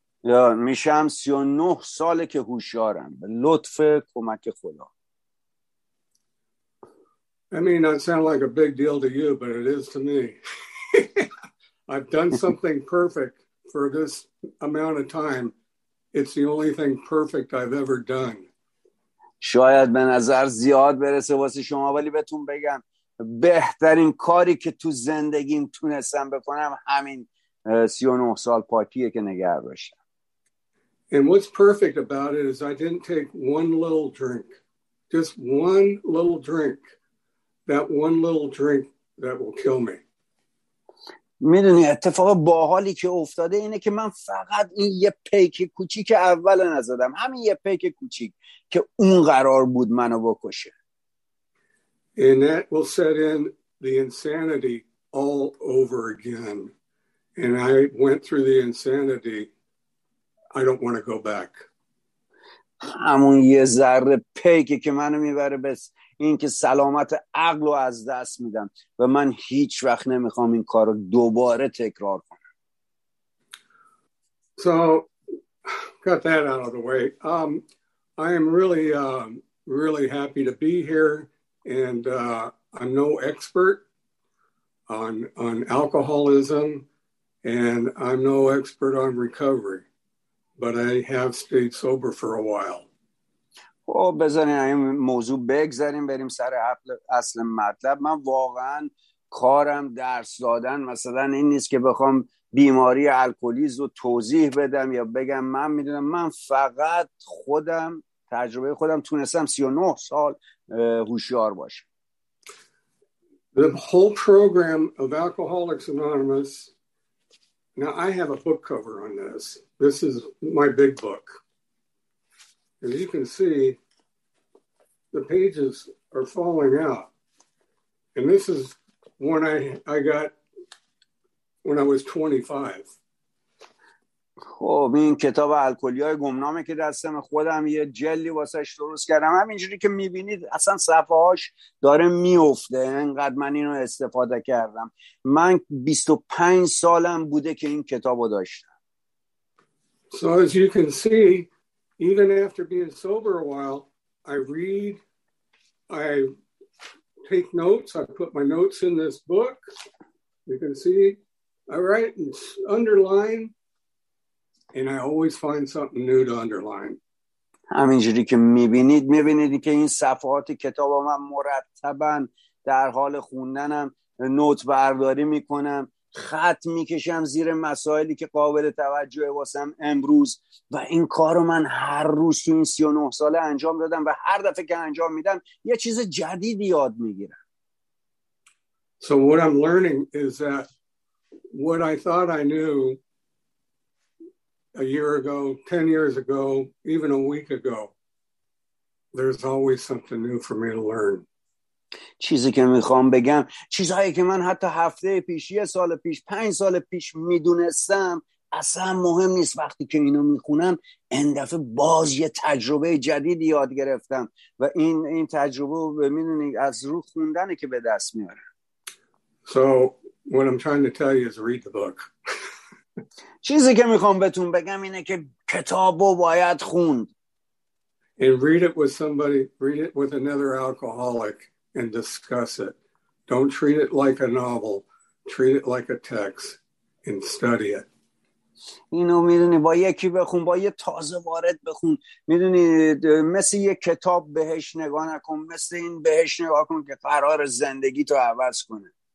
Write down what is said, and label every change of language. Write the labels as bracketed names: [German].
[Persian] Yeah, misham 39 sale ke hushyaram, be lutf komak khoda. [English] I may not sound like a big deal to you, but it is to me. I've done something perfect for this amount of time. It's the only thing perfect I've ever done. [Persian] شاید به نظر زیاد برسه واسه شما، ولی بهتون بگم بهترین کاری که تو زندگیم تونستم بکنم همین 39 سال پاکیه که نگه داشتم. [English] And what's perfect about it is I didn't take one little drink. Just one little drink. That one little drink that will kill me. [Persian] میدونی اتفاق باحالی که افتاده اینه که من فقط این یه پیک کوچیک اول نزدم، همین یه پیک کوچیک که اون قرار بود منو بکشه. [English] And that will set in the insanity all over again. And I went through the insanity. I don't want to go back. [Persian] همون یه ذره پیکی که منو میبره بس این که سلامت عقل رو از دست میدم و من هیچ وقت نمیخوام این کار رو دوباره تکرار کنم. [English] So, got that out of the way. I am really, really happy to be here, and I'm no expert on alcoholism, and I'm no expert on recovery, but I have stayed sober for a while. [Persian] خب بذاریم این موضوع بگذاریم بریم سر اصل مطلب. من واقعا کارم درس دادن مثلا این نیست که بخوام بیماری الکلیسم رو توضیح بدم یا بگم من میدونم. من فقط خودم تجربه خودم تونستم 39 سال هوشیار باشم. [English] The whole program of Alcoholics Anonymous. Now I have a book cover on this. This is my big book. As you can see, the pages are falling out. And this is one I got when I was 25. [Persian] خب این کتاب الکلی‌های گمنامه که دستم خودم یه جلدی واسش درست کردم. همینجوری که میبینید اصلا صفحه‌هاش داره میفته، انقدر من اینو استفاده کردم. من 25 سالم بوده که این کتابو داشتم. [English] So as you can see, even after being sober a while, I read, I take notes, I put my notes in this book. You can see, I write and underline, and I always find something new to underline. [Persian] همینجوری که میبینید، میبینید که این صفحات کتاب ها من مرتباً در حال خوندنم، نوت برداری میکنم، خط میکشم زیر مسائلی که قابل توجه واسم امروز، و این کارو من هر روز تو این 39 ساله انجام دادم و هر دفعه که انجام میدم یه چیز جدیدی یاد میگیرم. [English] So what I'm learning is that what I thought I knew a year ago, 10 years ago, even a week ago, there's always something new for me to learn. [Persian] چیزی که میخوام بگم، چیزهایی که من حتی هفته پیش، یه سال پیش، پنج سال پیش میدونستم، اصلا مهم نیست. وقتی که اینو میخونم، این دفعه باز یه تجربه جدید یاد گرفتم و این تجربه رو میدونی از رو خوندنه که به دست میارم. [English] So what I'm trying to tell you is read the book. [Persian] چیزی که میخوام بهتون بگم اینه که کتابو باید خوند. [English] And read it with somebody, read it with another alcoholic. And discuss it. Don't treat it like a novel. Treat it like a text and study it. [Persian] اینو میدونی با یکی بخون، با یه تازه وارد بخون. میدونی مثل یه کتاب بهش نگاه نکن، مثل این بهش نگاه کن که قرار زندگی تو عوض کنه.